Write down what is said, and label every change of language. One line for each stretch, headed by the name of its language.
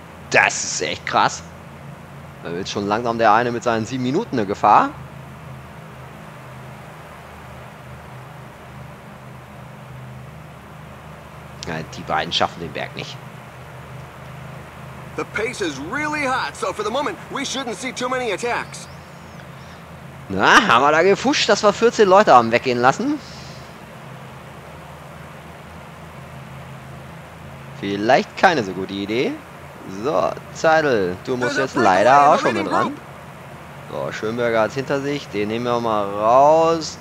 German: Das ist echt krass. Da wird schon langsam der eine mit seinen 7 Minuten eine Gefahr. Ja, die beiden schaffen den Berg nicht.
English: The pace is really hot, so for the moment we shouldn't see too many attacks.
German: Na, haben wir da gefuscht, dass wir 14 Leute haben weggehen lassen? Vielleicht keine so gute Idee. So, Zeidel, du musst jetzt leider auch schon mit ran. So, Schönberger hat es hinter sich. Den nehmen wir mal raus.